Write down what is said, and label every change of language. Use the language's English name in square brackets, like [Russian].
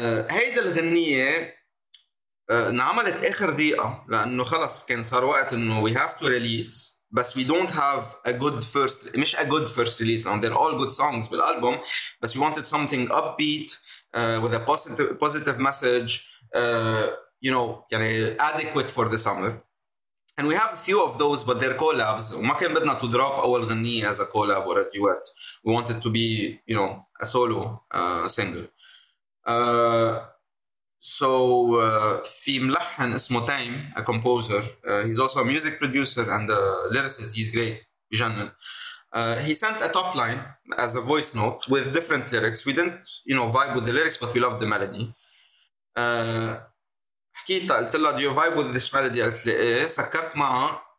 [Arabic] هيدا الغنية نعملت آخر دقيقة لأنه خلص كان صار وقت إنه [English] we have to release. But we don't have a good first, مش a good first release, and they're all good songs بالالبوم. But we wanted something upbeat with a positive message, you know, يعني adequate for the summer. And we have a few of those, but they're collabs. [Arabic] وما كان بدنا [English] to drop [Arabic] أول غنية [English] as a collab or a duet. We wanted to be, you know, a solo single. [Arabic] So في ملحن اسمه تايم, [English] a composer. He's also a music producer and a lyricist. He's great. جنن. He sent a top line as a voice note with different lyrics. We didn't, you know, vibe with the lyrics, but we loved the melody. [Arabic] حكيت قلت له, [English] do you vibe with this melody? [Arabic] قلت لي إيه. سكرت معه.